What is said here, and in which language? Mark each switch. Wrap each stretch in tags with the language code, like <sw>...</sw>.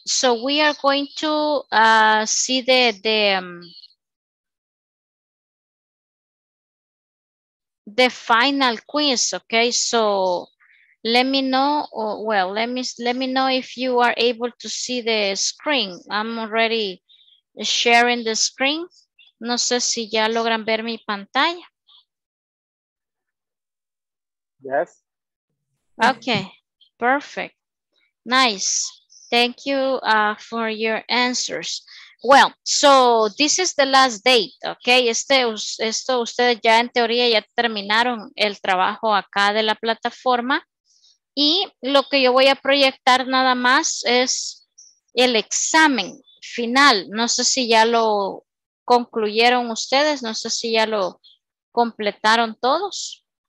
<en>So we are going to see the final quiz, okay? So let me know, let me know if you are able to see the screen. I'm already sharing the screen.</en> <es>No sé si ya logran ver mi pantalla.</es> <en>Yes. Okay, perfect. Nice. Thank you for your answers. Well, so this is the last date, okay?</en> <es>Esto ustedes ya en teoría ya terminaron el trabajo acá de la plataforma. Y lo que yo voy a proyectar nada más es el examen final. No sé si ya lo concluyeron ustedes, no sé si ya lo completaron todos.</es>